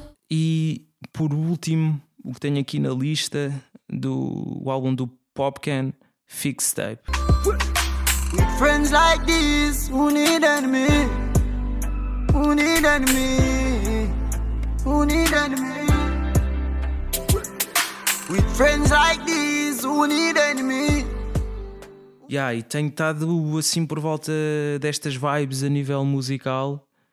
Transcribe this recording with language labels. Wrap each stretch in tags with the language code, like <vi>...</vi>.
<pt>E por último, o que tenho aqui na lista do álbum do Popcan, Fix Tape.</pt> <en>With friends like this, who need enemy? Who need enemy? Who need enemy? With friends like this, who need enemy?</en> <pt>Yeah, e tenho estado assim por volta destas vibes a nível musical.</pt>